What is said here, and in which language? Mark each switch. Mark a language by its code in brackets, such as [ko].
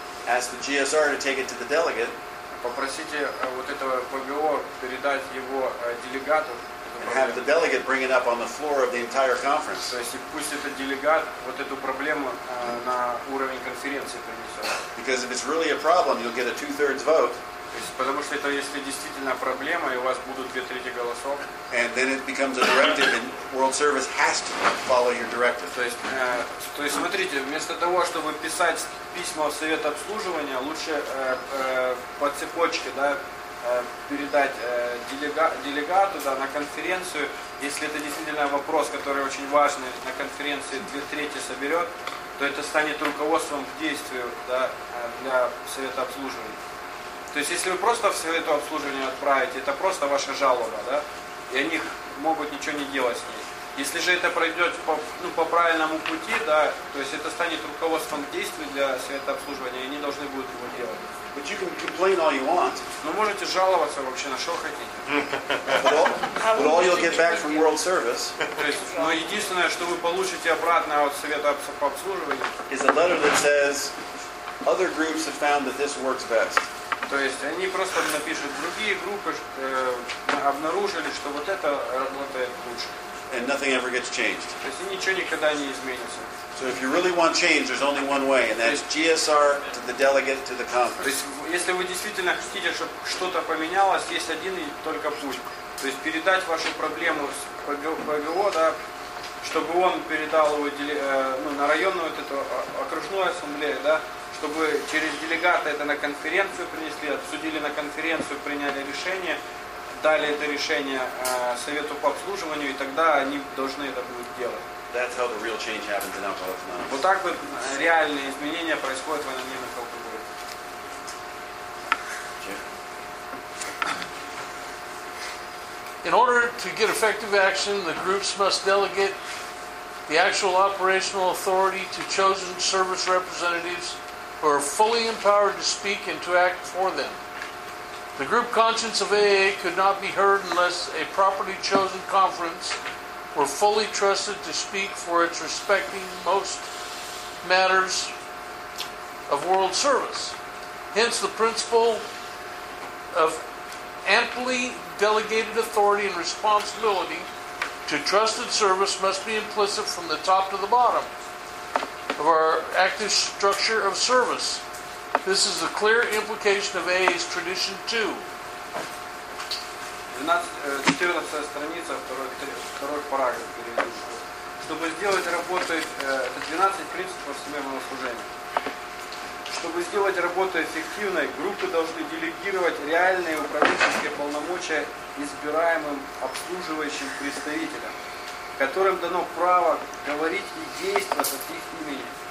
[en] Ask the GSR to take it to the delegate. [ru] Попросите вот этого ПГО передать его делегату. [en] And have the delegate bring it up on the floor of the entire conference. [ru] То есть пусть этот делегат вот эту проблему на уровень конференции принесет. [en] Because if it's really a problem, you'll get a two-thirds vote. [ru] То есть, потому что это если действительно проблема, и у вас будут две трети голосов. [en] And then it becomes a directive, and World Service has to follow your directive. [ru] То есть, смотрите, вместо того, чтобы писать письма в совет обслуживания, лучше по цепочке, да, передать делегату, да, на конференцию, если это действительно вопрос, который очень важный, на конференции две трети соберет, то это станет руководством к действию, да, для совета обслуживания. То есть, если вы просто в совет обслуживания отправите, это просто ваша жалоба, да? И они могут ничего не делать с ней. Если же это пройдет по правильному пути, да, то есть это станет руководством к действию для совета обслуживания, и они должны будут его делать. [en] But you can complain all you want. [ru] Но можете жаловаться вообще на что хотите. [en] But all you'll get back from World Service. [ru] То есть, но единственное, что вы получите обратно от совета обслуживания, [en] is a letter that says other groups have found that this works best. [ru] То есть они просто напишут, другие группы обнаружили, что вот это работает лучше. [en] and nothing ever gets changed. [ru] То есть ничего никогда не изменится. [en] So if you really want change, there's only one way, and that's GSR to the delegate to the conference. [ru] То есть если вы действительно хотите, чтобы что-то поменялось, есть один и только путь. То есть передать вашу проблему с ПГО, да, чтобы он передал его на районную вот эту окружную ассамблею, да, чтобы через делегата это на конференцию принесли, обсудили на конференцию, приняли решение, дали это решение совету по обслуживанию, и тогда они должны это будут делать. [en] That's how the real change happens in Alcoholics Anonymous. [ru] Вот так вот реальные изменения происходят в анонимных алкоголиках. [en] In order to get effective action, the groups must delegate the actual operational authority to chosen service representatives who are fully empowered to speak and to act for them. The group conscience of AA could not be heard unless a properly chosen conference were fully trusted to speak for its respecting most matters of world service. Hence the principle of amply delegated authority and responsibility to trusted service must be implicit from the top to the bottom of our active structure of service. This is a clear implication of AA's tradition too. [ru] 14 страница, второй параграф переведу. Чтобы сделать работу, 12 принципов современного служения. Чтобы сделать работу эффективной, группы должны делегировать реальные управленческие полномочия избираемым обслуживающим представителям, которым дано право говорить и действовать от их имени.